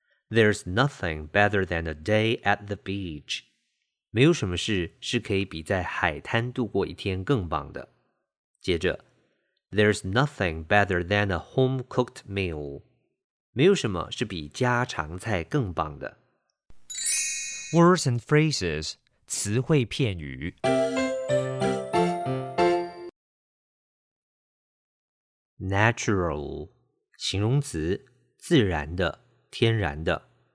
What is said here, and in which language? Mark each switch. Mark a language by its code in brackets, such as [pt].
[en] There's nothing better than a day at the beach. [zh] 没有什么事是可以比在海滩度过一天更棒的。接着 [en] There's nothing better than a home-cooked meal. [zh] 没有什么是比家常菜更棒的。 [en] Words and phrases, [zh] 词汇片语。 [en] Natural, [zh] 形容词，自然的，天然的。